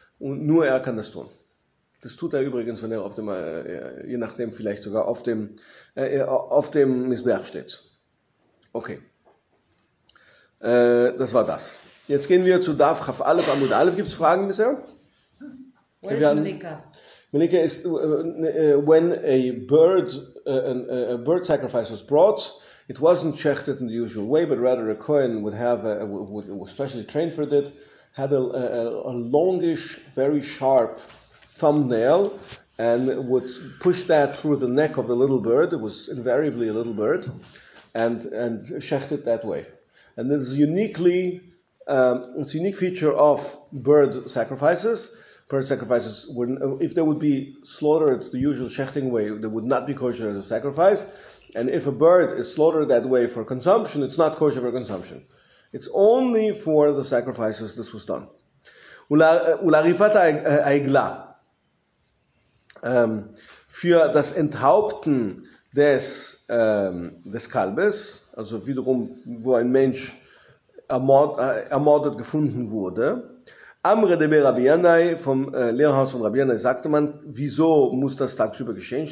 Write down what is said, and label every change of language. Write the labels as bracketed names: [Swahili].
[German] Und nur er kann das tun. Das tut er übrigens, wenn er auf dem, je nachdem, vielleicht sogar auf dem Misbeach steht. Okay. Das war das. Jetzt gehen wir zu Daf Chaf Aleph Amud Aleph. Gibt es Fragen bisher? [English] Where is Melika? Melika ist, when a bird sacrifice was brought, it wasn't shechted in the usual way, but rather a Kohen was specially trained for it, had a longish, very sharp thumbnail, and would push that through the neck of the little bird. It was invariably a little bird, and shecht it that way. And this is a unique feature of bird sacrifices. Bird sacrifices, if they would be slaughtered the usual shechting way, they would not be kosher as a sacrifice. And if a bird is slaughtered that way for consumption, it's not kosher for consumption. It's only for the sacrifices this was done. [Hebrew] Ularifat Aigla. [German] Für das Enthaupten des Kalbes, also wiederum, wo ein Mensch ermordet gefunden wurde. [Aramaic] Amre de [German] Rabbi Yannai, vom Lehrhaus von Rabbi Yannai, sagte man, wieso muss das tagsüber geschehen?